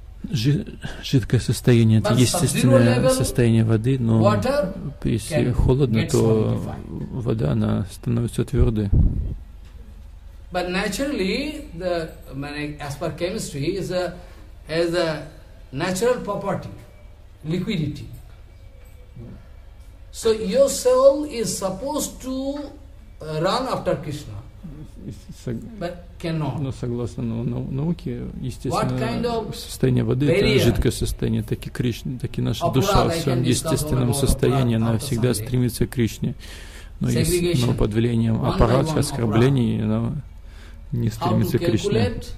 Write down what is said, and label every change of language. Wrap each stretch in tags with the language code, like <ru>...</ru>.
<ru>Жидкое состояние — это естественное состояние воды, но если холодно, то вода она становится твердой.</ru> <en>But naturally, as per chemistry, has a natural property, liquidity. So your soul is supposed to run after Krishna, but cannot.</en> <ru>Но согласно науке, естественно, состояние воды — это жидкое состояние, так и Кришна, так и наша душа в своем естественном состоянии, она всегда стремится к Кришне. Но если под влиянием аппарата, оскорблений, она не стремится к Кришне.</ru>